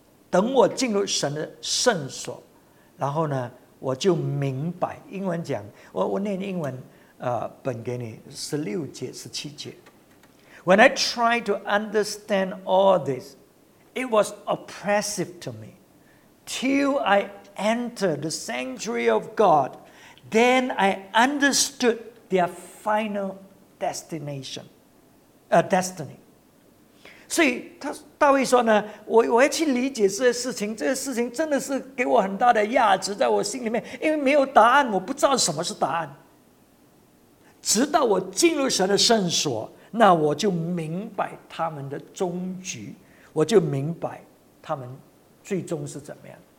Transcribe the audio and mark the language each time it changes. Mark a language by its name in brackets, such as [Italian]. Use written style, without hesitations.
[Chinese] 等我进入神的圣所，然后呢，我就明白。英文讲，我念英文，本给你16节、17节。 [English] When I tried to understand all this, it was oppressive to me. Till I entered the sanctuary of God, then I understood their final destination, destiny. [Chinese] 所以他大卫说呢，我要去理解这些事情，这些事情真的是给我很大的压制在我心里面，因为没有答案，我不知道什么是答案。直到我进入神的圣所，那我就明白他们的终局，我就明白他们最终是怎么样。